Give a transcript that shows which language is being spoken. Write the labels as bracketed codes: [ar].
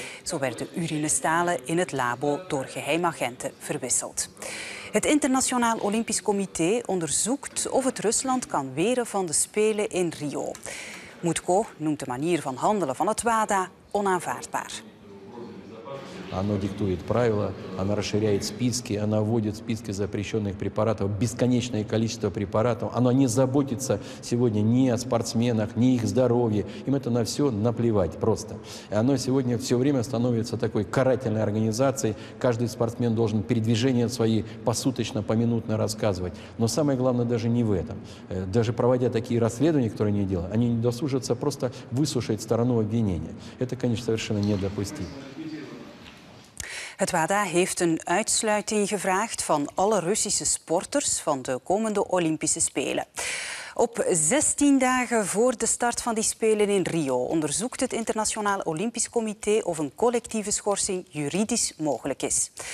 [nl] Zo werden urinestalen in het labo door geheimagenten verwisseld. Het Internationaal Olympisch Comité onderzoekt of het Rusland kan weren van de Spelen in Rio. Mutko noemt de manier van handelen van het WADA onaanvaardbaar. [ru] Оно диктует правила, оно расширяет списки, оно вводит в списки запрещенных препаратов бесконечное количество препаратов. Оно не заботится сегодня ни о спортсменах, ни их здоровье. Им это на все наплевать просто. И оно сегодня все время становится такой карательной организацией. Каждый спортсмен должен передвижения свои посуточно, поминутно рассказывать. Но самое главное даже не в этом. Даже проводя такие расследования, которые они делают, они не досужатся просто выслушать сторону обвинения. Это, конечно, совершенно недопустимо. [nl] Het WADA heeft een uitsluiting gevraagd van alle Russische sporters van de komende Olympische Spelen. Op 16 dagen voor de start van die Spelen in Rio onderzoekt het Internationaal Olympisch Comité of een collectieve schorsing juridisch mogelijk is.